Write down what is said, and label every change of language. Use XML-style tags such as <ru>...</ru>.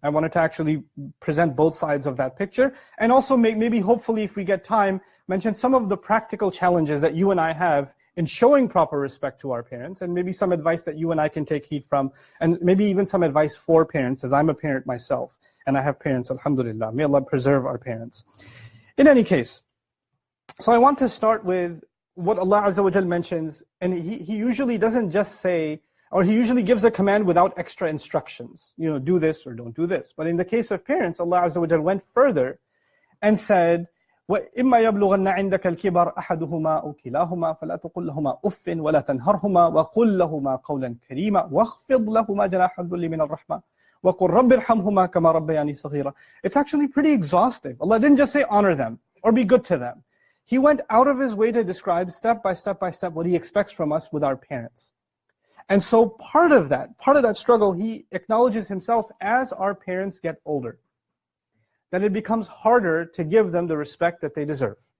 <en>I wanted to actually present both sides of that picture. And also maybe hopefully if we get time, mention some of the practical challenges that you and I have in showing proper respect to our parents, and maybe some advice that you and I can take heed from, and maybe even some advice for parents, as I'm a parent myself, and I have parents, alhamdulillah. May Allah preserve our parents. In any case, so I want to start with what Allah Azza wa Jal mentions, and he usually doesn't just say, or he usually gives a command without extra instructions, you know, do this or don't do this. But in the case of parents, Allah Azza wa Jal went further and said,</en> <ar>وَإِمَّا يَبْلُغَنَّ عِنْدَكَ الْكِبَرْ أَحَدُهُمَا أَوْ كِلَاهُمَا فَلَا تُقُلْ لَهُمَا أُفٍّ وَلَا تَنْهَرْهُمَا وَقُلْ لَهُمَا قَوْلًا كَرِيمًا وَاخْفِضْ لَهُمَا جَنَاحَ الذُّلِّ مِنَ الرَّحْمَةِ وَقُلْ رَبِّ ارْحَمْهُمَا كَمَا رَبَّيَانِي صَغِيرًا.</ar> <en>It's actually pretty exhaustive. Allah didn't just say honor them or be good to them. He went out of his way to describe step by step by step what he expects from us with our parents. And so part of that struggle, he acknowledges himself, as our parents get older, that it becomes harder to give them the respect that they deserve.</en>